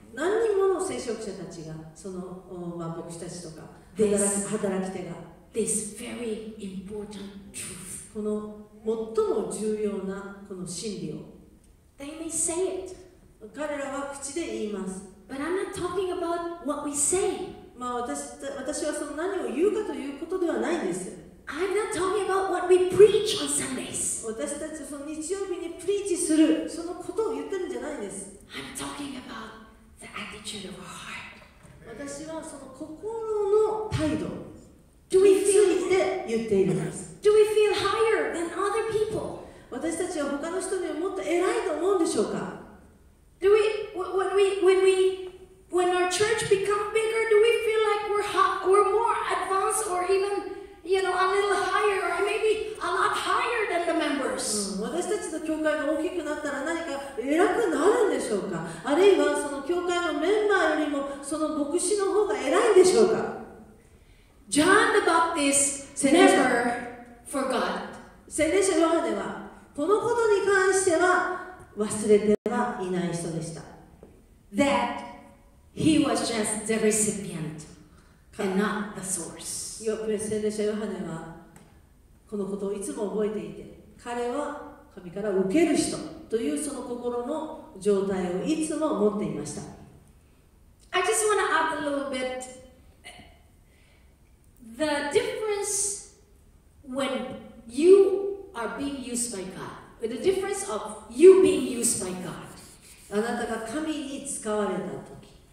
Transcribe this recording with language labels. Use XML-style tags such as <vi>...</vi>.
<ja>何人もの聖職者たちが、その、牧師たちとか働き手が</ja> <en>this very important truth.</en> <ja>この最も重要なこの真理を</ja> <en>They may say it.</en> <ja>彼らは口で言います。</ja> <en>But I'm not talking about what we say.</en> <ja>まあ 私はその何を言うかということではないんです。</ja> <en>I'm not talking about what we preach on Sundays.</en> <ja>私たちその日曜日にプリーチするそのことを言ってるんじゃないんです。</ja> <en>I'm talking about the attitude of our heart.</en> <ja>私はその心の態度について言っています。</ja> <en>Do we feel higher than other people?</en> <ja>私たちは他の人にはもっと偉いと思うんでしょうか。</ja> <en>Do we, when we, when we, when our church become bigger, do we feel like we're more advanced or evenYou know, a little higher, or maybe a lot higher than the members.</en> <ja>私たちの教会が大きくなったら何か偉くなるんでしょうか。あるいはその教会のメンバーよりもその牧師の方が偉いんでしょうか。</ja> <en>John the Baptist never forgot.</en> <ja>聖霊者ヨハネはこのことに関しては忘れてはいない人でした。</ja> <en>That he was just the recipient and not the source.</en> <ja>聖霊者ヨハネはこのことをいつも覚えていて、彼は神から受ける人というその心の状態をいつも持っていました。</ja> <en>I just want to add a little bit the difference when you are being used by God, the difference of you being used by God.</en> <ja>あなたが神に使われた時</ja>